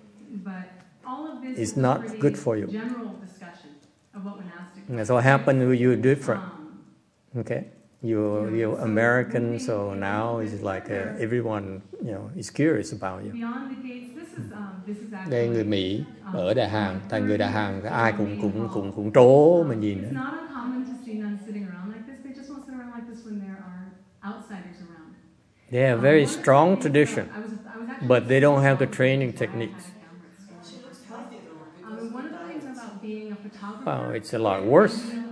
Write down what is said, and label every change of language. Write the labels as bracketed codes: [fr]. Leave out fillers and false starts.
[en] But all of this is not a good for you. General discussion of what monastic. That's what happened when you're different. Okay? You're American, so now it's like everyone, is curious about you. Beyond the gates, this is actually [vi] người Mỹ ở Đà Hàng, thành người Đà Hàng ai cũng trố mà nhìn. [en] It's not uncommon to see them sitting around like this. They just won't sit around like this when there are outsiders around. They have very strong tradition, but they don't have the training techniques. One of the things about being a photographer. Well, it's a lot worse.